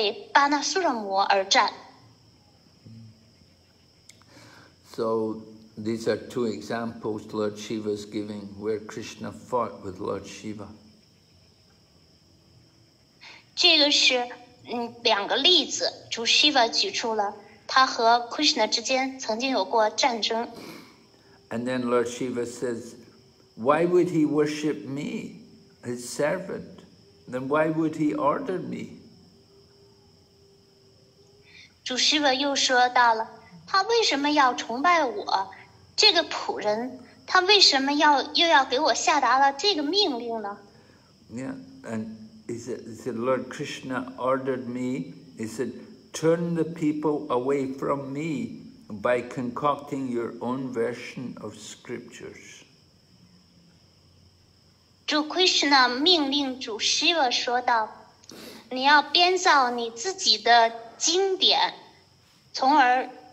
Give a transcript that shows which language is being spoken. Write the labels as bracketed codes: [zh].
[zh] 因为有一次呢，就是巴纳苏拉摩就逮捕了阿尼鲁达，因为阿尼鲁达在未经乌沙的父亲的允许的情况下呢，就跟他女儿有了关系，所以巴纳苏拉就把他投到了监狱。这时候，主Krishna就率领了大军前来营救阿尼鲁达。在此的巴纳苏拉的军队和Krishna的军队展开作战，主Shiva就为巴纳苏拉摩而战。 [en] So these are two examples Lord Shiva is giving where Krishna fought with Lord Shiva. [zh] 这个是两个例子，主 Shiva 举出了他和 Krishna 之间曾经有过战争。 [en] And then Lord Shiva says, why would he worship me, his servant? Then why would he order me? [zh] 主 Shiva 又说到了, 他为什么要崇拜我这个仆人，他为什么要又要给我下达了这个命令呢？ [en] Yeah, and he said, Lord Krishna ordered me, he said, turn the people away from me by concocting your own version of scriptures. [zh] 主 Krishna 命令主 Shiva 说道，你要编造你自己的经典，从而